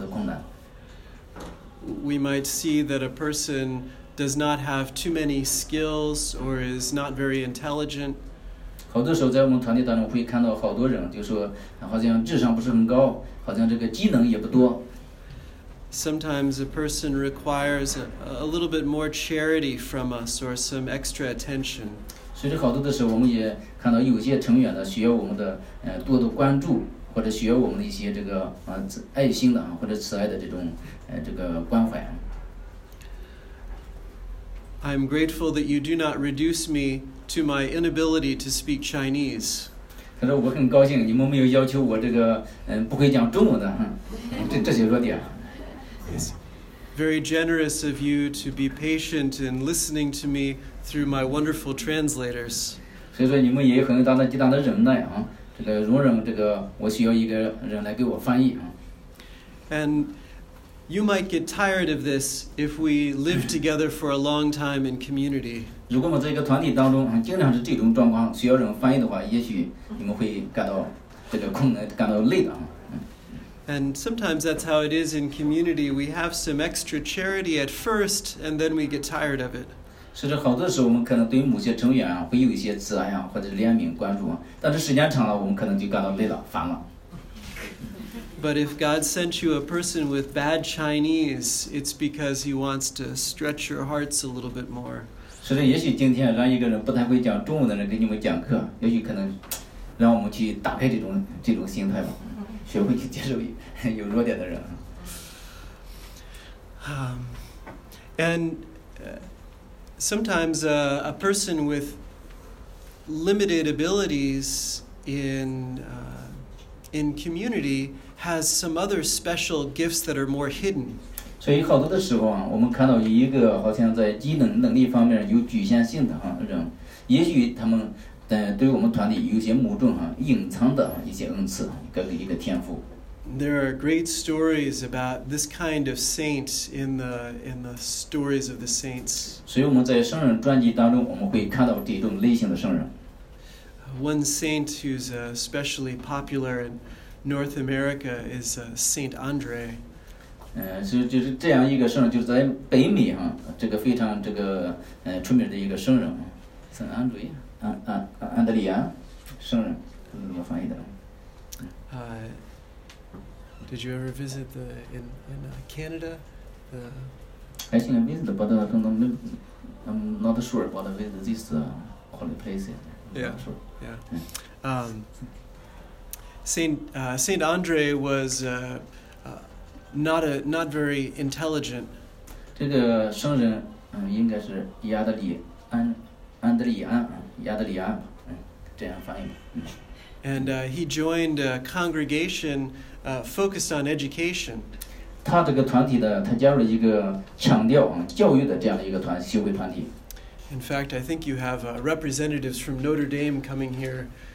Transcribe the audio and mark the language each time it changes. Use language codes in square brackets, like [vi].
[zh] 所以说我们好多的时候有一个危险，就是我们老是去强调，让这些比较软弱的人去减少他们的软弱，他们的困难。We [en] might see that a person does not have too many skills or is not very intelligent. [zh] 好多时候在我们团体当中会看到好多人，就是说好像智商不是很高，好像这个技能也不多。Sometimes [en] a person requires a little bit more charity from us or some extra attention. [zh] 所以好多的时候我们也看到有些成员呢需要我们的多的关注，或者需要我们的一些这个爱心的，或者慈爱的这种关怀。 [en] I'm grateful that you do not reduce me to my inability to speak Chinese. [zh] 他说我很高兴你们没有要求我这个不会讲中文的这些弱点。 [en] It's very generous of you to be patient in listening to me through my wonderful translators. [zh] 所以说你们也很大的极大的忍耐这个容忍这个我需要一个人来给我翻译。 [en] And you might get tired of this if we live together for a long time in community. [zh] 如果我们在一个团体当中经常是这种状况需要人翻译的话也许你们会感到这个困难感到累的。 [en] And sometimes that's how it is in community. We have some extra charity at first and then we get tired of it. [zh] 甚至好多时候我们可能对于某些成员会有一些慈爱或者怜悯关注但是时间长了我们可能就感到累了烦了。 [en] But if God sent you a person with bad Chinese, it's because he wants to stretch your hearts a little bit more. [zh] 所以也许今天让一个人不太会讲中文的人给你们讲课也许可能让我们去打开这种心态吧学会去接受有弱点的人。 [en] And sometimes a person with limited abilities in community has some other special gifts that are more hidden. [zh] 所以好多的时候我们看到一个好像在技能能力方面有局限性的人也许他们对我们团体有些某种隐藏的一些恩赐一个天赋。 [en] There are great stories about this kind of saint in the stories of the saints. [zh] 所以我们在圣人传记当中我们会看到这种类型的圣人。 [en] One saint who's especially popular in North America is Saint Andre. [zh] 就是这样一个圣人，就是在北美这个非常这个出名的一个圣人 ，Saint Andre， 安德里亚，圣人，是怎么翻译的？ [en] Did you ever visit the in Canada? I think I visited, but I'm not sure about this holy place. Yeah. Sure. Yeah. Saint Andre was not very intelligent. [zh] 这个圣人应该是亚德里安安德里安亚德里安这样翻译。 [en] And he joined a congregation focused on education. [zh] 他这个团体的他加入了一个强调教育的这样的一个团修会团体。 [en] In fact, I think you have representatives from Notre Dame coming here.